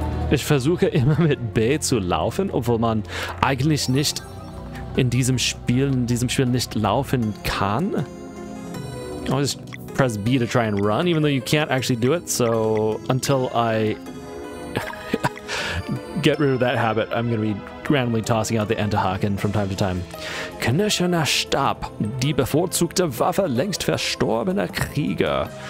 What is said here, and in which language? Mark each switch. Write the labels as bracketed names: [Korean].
[German] Ich versuche immer mit B zu laufen, obwohl man eigentlich nicht in diesem Spiel nicht laufen kann. [English] I always press B to try and run, even though you can't actually do it, so until I get rid of that habit, I'm gonna be randomly tossing out the Enterhaken from time to time. [German] Knirschener Stab, die bevorzugte Waffe längst verstorbener Krieger.